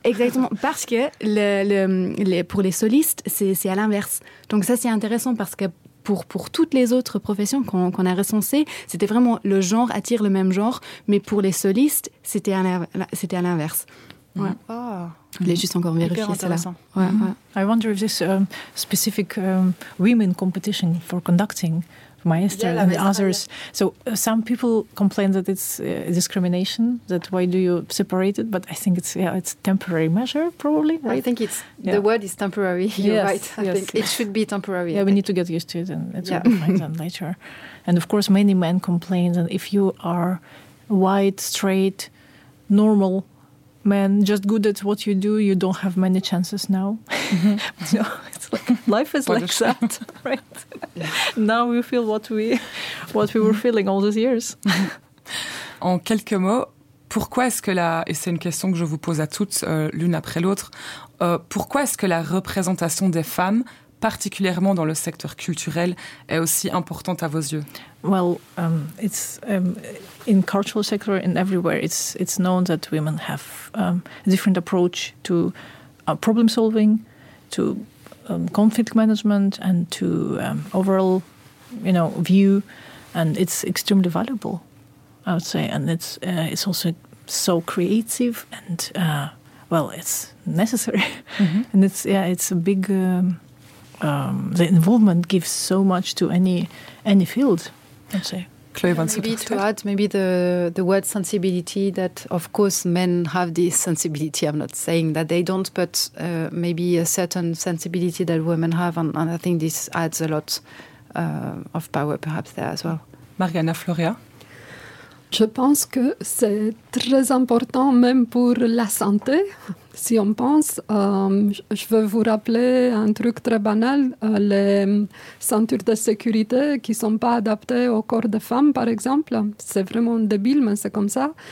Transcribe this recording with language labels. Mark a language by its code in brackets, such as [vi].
[fr] Exactement, parce que pour les solistes, c'est à l'inverse. Donc, ça, c'est intéressant, parce que pour toutes les autres professions qu'on a recensées, c'était vraiment le genre attire le même genre, mais pour les solistes, c'était à l'inverse. Ouais. Oh. Je l'ai juste encore vérifié, c'est intéressant. Ça. [en] I wonder if this specific women competition for conducting maestro and others. So some people complain that it's discrimination. That why do you separate it? But I think it's a temporary measure, probably. Right? I think the word is temporary. I think it should be temporary. Yeah, we need to get used to it, and it's fine later. And of course, many men complain that if you are white, straight, normal man, just good at what you do, you don't have many chances now. Mm-hmm. So it's like, life is like that, right? Now we feel what we were feeling all these years. En quelques mots, pourquoi est-ce que et c'est une question que je vous pose à toutes l'une après l'autre, pourquoi est-ce que la représentation des femmes, particulièrement dans le secteur culturel, est aussi importante à vos yeux? Well, it's in cultural sector and everywhere. It's known that women have a different approach to problem solving, to conflict management, and to overall, you know, view. And it's extremely valuable, I would say. And it's also so creative and it's necessary. Mm-hmm. And it's a big. The involvement gives so much to any field, I'd say. Maybe to add, maybe the word sensibility, that of course men have this sensibility. I'm not saying that they don't, but maybe a certain sensibility that women have, and I think this adds a lot of power perhaps there as well. [fr] Mariana Floria. Je pense que c'est très important même pour la santé. Si on pense, je veux vous rappeler un truc très banal, les ceintures de sécurité qui ne sont pas adaptées au corps des femmes, par exemple, c'est vraiment débile, mais c'est comme ça.